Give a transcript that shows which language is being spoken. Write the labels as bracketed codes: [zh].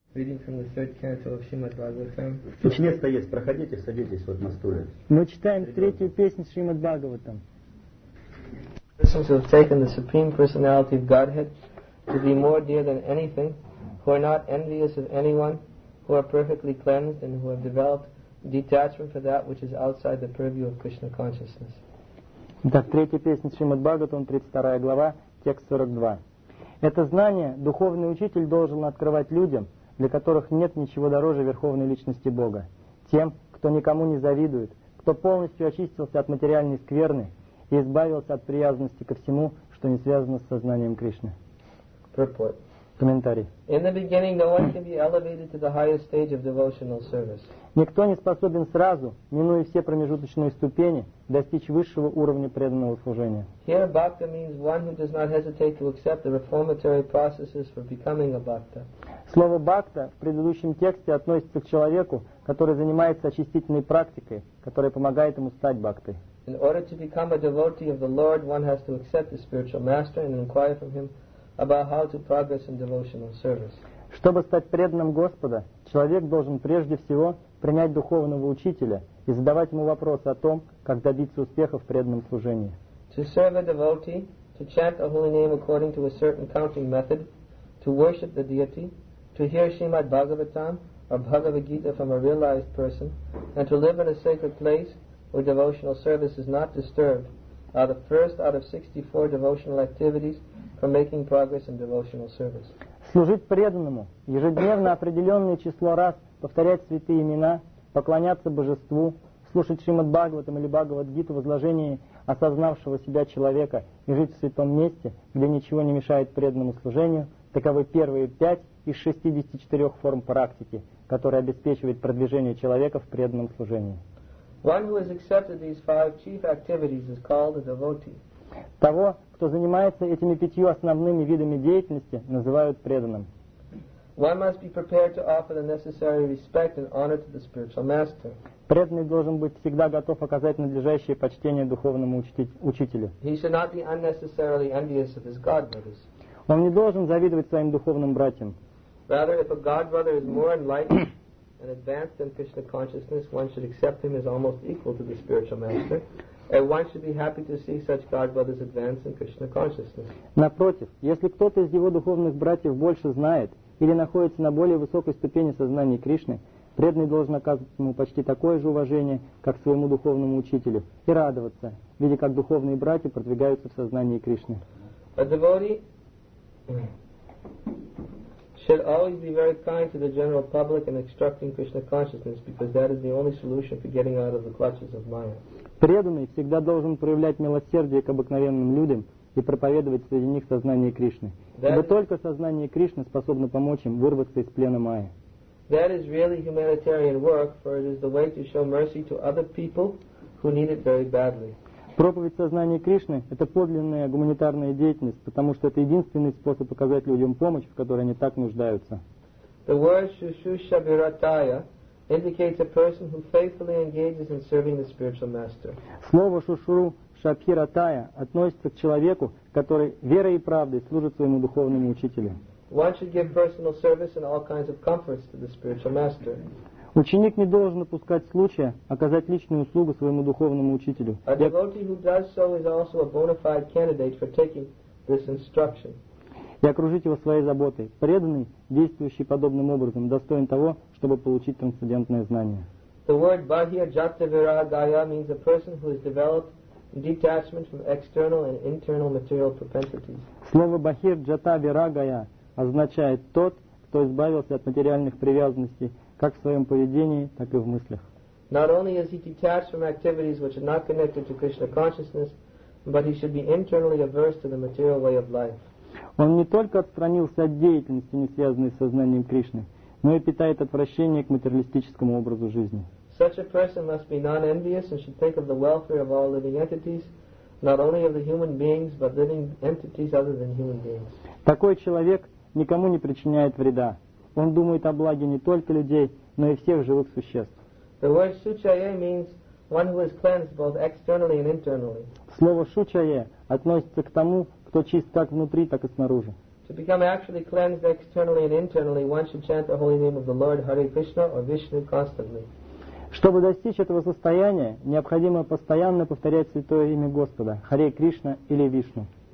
[en] Reading from the third canto of Srimad Bhagavatam. [ru] Кучнеста есть, проходите, садитесь вот на стуле. Мы читаем третью песню Шримад Бхагаватам. [en] Persons who have taken the Supreme Personality of Godhead to be more dear than anything, who are not envious of anyone, who are perfectly cleansed, and who have developed detachment for that which is outside the purview of Krishna consciousness. [ru] Итак, третья песня Шримад Бхагаватам, 32 глава, текст 42. Это знание духовный учитель должен открывать людям, для которых нет ничего дороже Верховной Личности Бога, тем, кто никому не завидует, кто полностью очистился от материальной скверны и избавился от привязанности ко всему, что не связано с сознанием Кришны. Комментарий. [en] In the beginning, no one can be elevated to the highest stage of devotional service. [ru] Никто не способен сразу, минуя все промежуточные ступени, достичь высшего уровня преданного служения. [en] Here, bhakta means one who does not hesitate to accept the reformatory processes for becoming a bhakta. [ru] Слово «бхакта» в предыдущем тексте относится к человеку, который занимается очистительной практикой, которая помогает ему стать бхактой. [en] In order to become a devotee of the Lord, one has to accept the spiritual master and inquire from him about how to progress in devotional service. [ru] Чтобы стать преданным Господа, человек должен прежде всего принять духовного учителя и задавать ему вопросы о том, как добиться успеха в преданном служении. [en] To serve a devotee, to chant the holy name according to a certain counting method, to worship the deity, to hear Srimad Bhagavatam or Bhagavad Gita from a realized person, and to live in a sacred place where devotional service is not disturbed, are the first out of 64 devotional activities for making progress in devotional service. [ru] Служить преданному, ежедневно определенное число раз повторять святые имена, поклоняться божеству, слушать Шримад Бхагаватам или Бхагавад Гиту возложении осознавшего себя человека и жить в святом месте, где ничего не мешает преданному служению, таковы первые пять из 64 форм практики, которые обеспечивают продвижение человека в преданном служении. [en] One who has accepted these five chief activities is called a devotee. [ru] Того, кто занимается этими пятью основными видами деятельности, называют преданным. [en] One must be prepared to offer the necessary respect and honor to the spiritual master. [ru] Преданный должен быть всегда готов оказать надлежащее почтение духовному учителю. [en] He should not be unnecessarily envious of his god brothers. [ru] Он не должен завидовать своим духовным братьям. [en] Rather, if a god brother is more enlightened and advanced than Krishna consciousness, one should accept him as almost equal to the spiritual master. And one should be happy to see such god brothers advance in Krishna consciousness. [ru] Напротив, если кто-то из его духовных братьев больше знает или находится на более высокой ступени сознания Кришны, преданный должен оказывать ему почти такое же уважение, как своему духовному учителю, и радоваться, видя, как духовные братья продвигаются в сознании Кришны. [en] A devotee should always be very kind to the general public in instructing Krishna consciousness, because that is the only solution for getting out of the clutches of Maya. [ru] Преданный всегда должен проявлять милосердие к обыкновенным людям и проповедовать среди них сознание Кришны. Ибо только сознание Кришны способно помочь им вырваться из плена Майи. [en] That is really humanitarian work, for it is the way to show mercy to other people who need it very badly. [ru] Проповедь сознания Кришны – это подлинная гуманитарная деятельность, потому что это единственный способ оказать людям помощь, в которой они так нуждаются. [en] The word shushusha virataya indicates a person who faithfully engages in serving the spiritual master. [ru] Слово шушуру шабхиратая относится к человеку, который верой и правдой служит своему духовному учителю. [en] One should give personal service and all kinds of comforts to the spiritual master. [ru] Ученик не должен упускать случая оказать личную услугу своему духовному учителю. [en] A devotee who does so is also a bona fide candidate for taking this instruction. [ru] И окружить его своей заботой. Преданный, действующий подобным образом, достоин того, чтобы получить трансцендентное знание. [en] The word bahya jata viragaya means a person who has developed detachment from external and internal material propensities. [ru] Слово bahir jata viragaya означает тот, кто избавился от материальных привязанностей как в своем поведении, так и в мыслях. [en] Not only is he detached from activities which are not connected to Krishna consciousness, but he should be internally averse to the material way of life. [ru] Он не только отстранился от деятельности, не связанной с сознанием Кришны, но и питает отвращение к материалистическому образу жизни. [en] Such a person must be non-envious and should think of the welfare of all living entities, not only of the human beings, but living entities other than human beings. [ru] Такой человек никому не причиняет вреда. Он думает о благе не только людей, но и всех живых существ. [en] The word shuchaye means one who is cleansed both externally and internally. [ru] Слово shuchaye относится к тому, кто чист как внутри, так и снаружи. [en] To become actually cleansed externally and internally, one should chant the holy name of the Lord Hare Krishna or Vishnu constantly. [ru] Чтобы достичь этого состояния, необходимо постоянно повторять святое имя Господа Харе Кришна или Вишну.